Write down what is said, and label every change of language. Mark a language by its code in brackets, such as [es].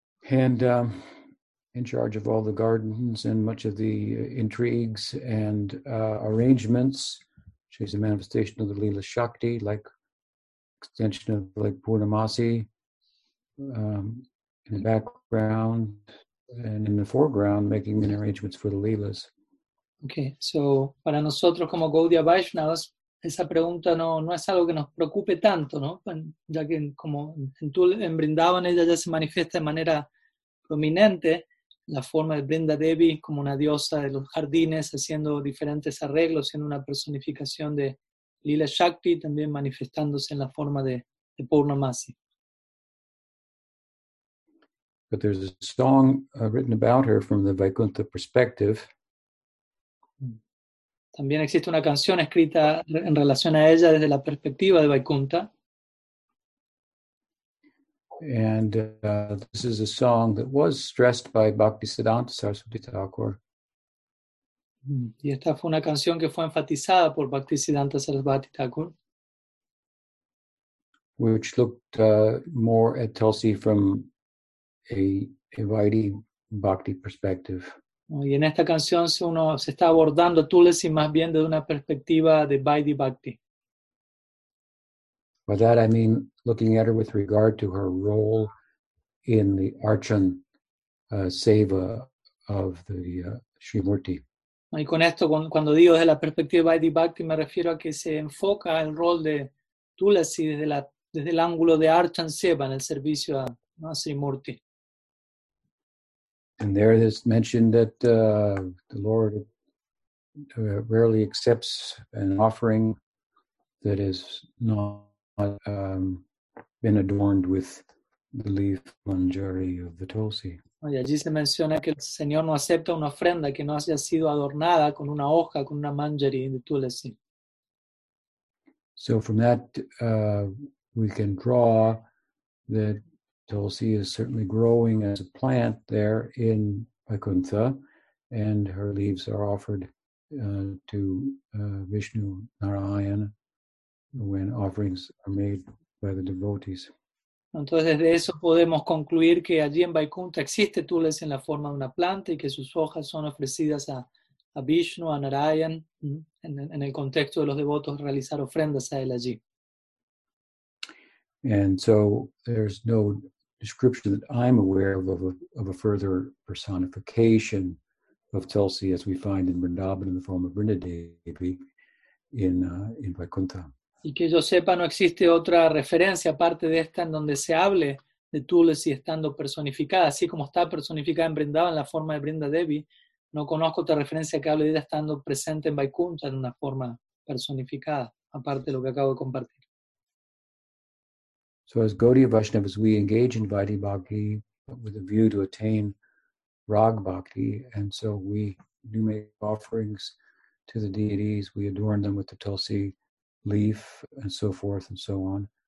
[en] And in charge of all the gardens and much of the intrigues and arrangements. She's a manifestation of the Leela Shakti, like extension of like Purnamasi in the background and in the foreground, making the arrangements for the Leelas. [es] Okay, so para nosotros como Gaudiya Vaishnavas, esa pregunta no es algo que nos preocupe tanto, ¿no? Ya que como en Vrindavan ella ya se manifiesta de manera prominente, la forma de Vrinda Devi como una diosa de los jardines haciendo diferentes arreglos, siendo una personificación de Lila Shakti, también manifestándose en la forma de Purnamasi. [en] But there's a song written about her from the Vaikuntha perspective. [es] También existe una canción escrita en relación a ella desde la perspectiva de Vaikuntha. [en] And this is a song that was stressed by Bhaktisiddhanta Saraswati Thakur. [es] Y esta fue una canción que fue enfatizada por Bhaktisiddhanta Saraswati Thakur. [en] Which looked more at Tulsi from a Vaidhi Bhakti perspective. [es] Y en esta canción uno se está abordando Tulsi más bien desde una perspectiva de Vaidhi Bhakti. [en] By that I mean looking at her with regard to her role in the Archan Seva of the Shrimurti. [es] Y con esto, cuando digo desde la perspectiva de Vaidhi Bhakti, me refiero a que se enfoca el rol de Tulsi desde el ángulo de Archan Seva en el servicio a Shrimurti. [en] And there it is mentioned that the Lord rarely accepts an offering that is not been adorned with the leaf manjari of the Tulsi. [es] Y allí se menciona que el Señor no acepta una ofrenda que no haya sido adornada con una hoja, con una manjari de Tulsi. [en] So from that we can draw that Tulsi is certainly growing as a plant there in Vaikuntha, and her leaves are offered to Vishnu Narayan when offerings are made by the devotees. [es] Entonces de eso podemos concluir que allí en Vaikuntha existe Tulsi en la forma de una planta y que sus hojas son ofrecidas a Vishnu, a Narayan, en el contexto de los devotos realizar ofrendas a él allí. [en] And so there's no description that I'm aware of a further personification of Tulsi as we find in Vrindavan in the form of Vrinda Devi in Vaikuntha. [es] Y que yo sepa, no existe otra referencia aparte de esta en donde se hable de Tulsi estando personificada, así como está personificada en Vrindavan en la forma de Vrinda Devi. No conozco otra referencia que hable de ella estando presente en Vaikuntha en una forma personificada, aparte de lo que acabo de compartir. [en] So as Gaudiya Vaishnavas, we engage in Vaidhi Bhakti with a view to attain Rag Bhakti, and so we do make offerings to the deities, we adorn them with the Tulsi leaf and so forth and so on.